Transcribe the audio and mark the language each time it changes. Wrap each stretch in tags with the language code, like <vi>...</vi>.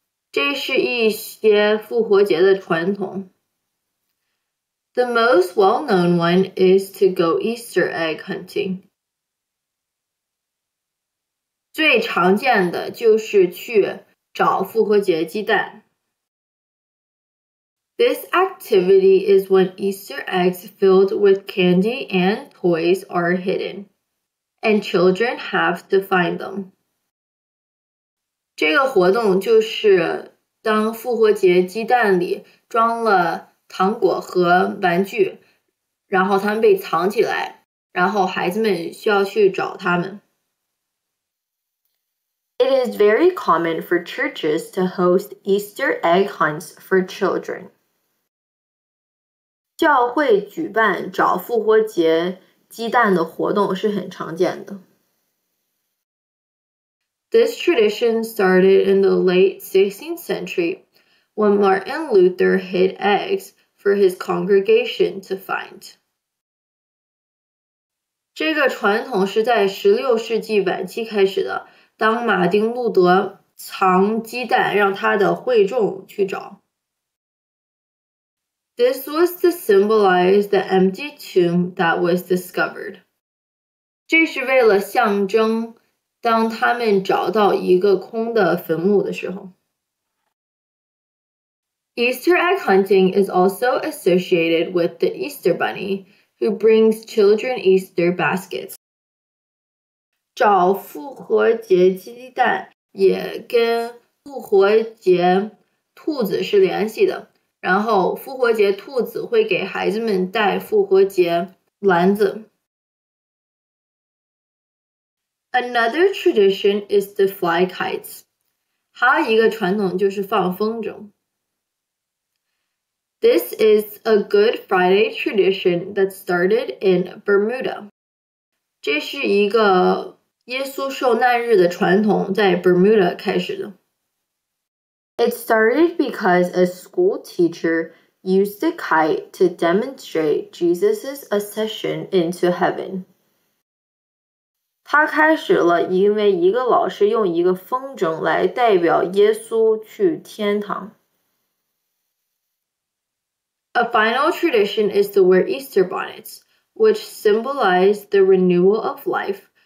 <zh>这是一些复活节的传统。</zh> <en>The most well-known one is to go Easter egg hunting.</en> <zh>最常见的就是去找复活节鸡蛋。</zh> <en>This activity is when Easter eggs filled with candy and toys are hidden, and children have to find them.</en> <zh>这个活动就是当复活节鸡蛋里装了糖果和玩具，然后他们被藏起来，然后孩子们需要去找他们。</zh> <en>It is very common for churches to host Easter egg hunts for children.</en> <zh>教会举办找复活节鸡蛋的活动是很常见的。</zh> <en>This tradition started in the late 16th century when Martin Luther hid eggs for his congregation to find.</en> <zh>这个传统是在16世纪晚期开始的。当马丁·路德藏鸡蛋让他的会众去找。</zh> <en>This was to symbolize the empty tomb that was discovered.</en> <zh>这是为了象征当他们找到一个空的坟墓的时候。</zh> <en>Easter egg hunting is also associated with the Easter Bunny, who brings children Easter baskets.</en> <zh>找复活节鸡蛋也跟复活节兔子是联系的，然后复活节兔子会给孩子们带复活节篮子。</zh> <en>Another tradition is to fly kites.</en> <zh>还有一个传统就是放风筝。</zh> <en>This is a Good Friday tradition that started in Bermuda.</en> <zh>这是一个耶稣受难日的传统在 Bermuda 开始的。</zh> <en>It started because a school teacher used a kite to demonstrate Jesus' ascension into heaven.</en> <zh>它开始了因为一个老师用一个风筝来代表耶稣去天堂。</zh> <en>A final tradition is to wear Easter bonnets, which symbolize the renewal of life.</en>